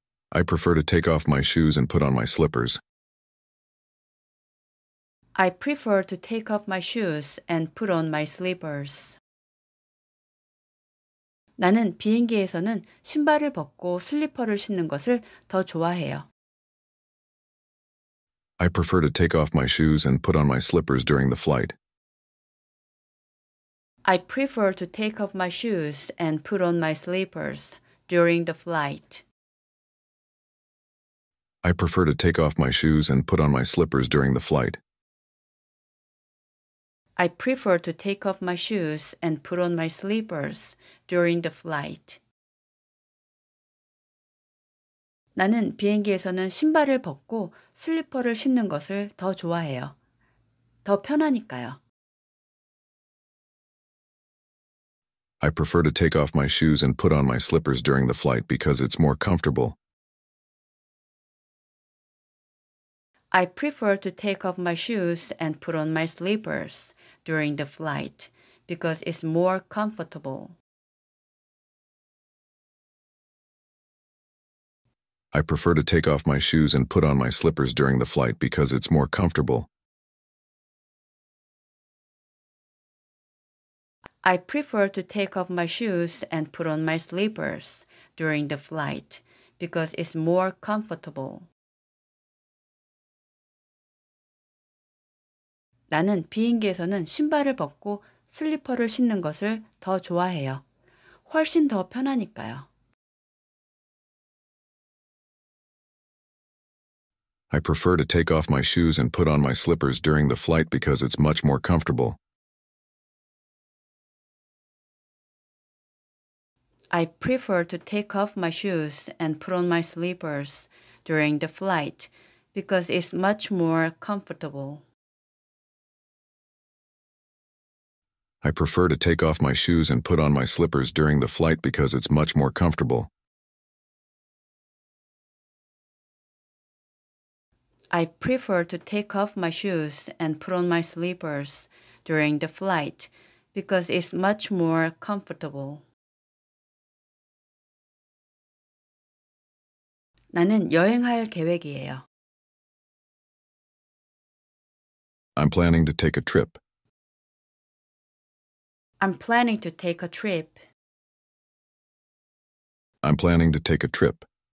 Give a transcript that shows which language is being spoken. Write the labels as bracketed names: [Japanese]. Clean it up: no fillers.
[English] I prefer to take off my shoes and put on my slippers. I prefer to take off my shoes and put on my slippers. [Korean] 나는 비행기에서는 신발을 벗고 슬리퍼를 신는 것을 더 좋아해요. [English] I prefer to take off my shoes and put on my slippers during the flight. I prefer to take off my shoes and put on my slippers during the flight. I prefer to take off my shoes and put on my slippers during the flight. I prefer to take off my shoes and put on my slippers during the flight. [Korean] 나는 비행기에서는 신발을 벗고 슬리퍼를 신는 것을 더 좋아해요. 더 편하니까요. [English] I prefer to take off my shoes and put on my slippers during the flight because it's more comfortable. I prefer to take off my shoes and put on my slippers during the flight because it's more comfortable. I prefer to take off my shoes and put on my slippers during the flight because it's more comfortable. I prefer to take off my shoes and put on my slippers during the flight because it's more comfortable. [Korean] 나는 비행기에서는 신발을 벗고 슬리퍼를 신는 것을 더 좋아해요. 훨씬 더 편하니까요. [English] I prefer to take off my shoes and put on my slippers during the flight because it's much more comfortable. I prefer to take off my shoes and put on my slippers during the flight because it's much more comfortable. I prefer to take off my shoes and put on my slippers during the flight because it's much more comfortable. I prefer to take off my shoes and put on my slippers during the flight because it's much more comfortable. [Korean] 나는 여행할 계획이에요. [English] I'm planning to take a trip. I'm planning to take a trip. I'm planning to take a trip.